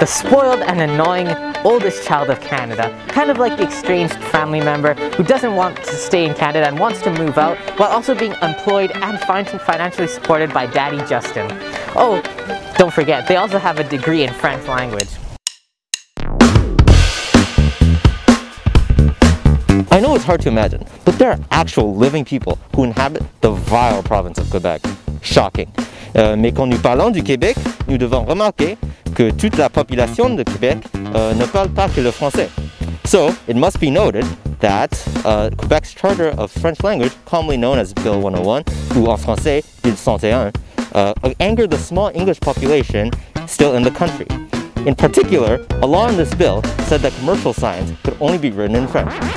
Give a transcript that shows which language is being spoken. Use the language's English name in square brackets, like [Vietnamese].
[English] The spoiled and annoying oldest child of Canada. Kind of like the estranged family member who doesn't want to stay in Canada and wants to move out while also being employed and financially supported by Daddy Justin. Oh, don't forget, they also have a degree in French language. I know it's hard to imagine, but there are actual living people who inhabit the vile province of Quebec. Shocking. [French] Mais quand nous parlons du Québec, nous devons remarquer que toute la population de Québec ne parle pas que le français. [English] So, it must be noted that Quebec's Charter of French Language, commonly known as Bill 101, [French] ou en français, [English] Bill 101, angered the small English population still in the country. In particular, a law in this bill said that commercial signs could only be written in French.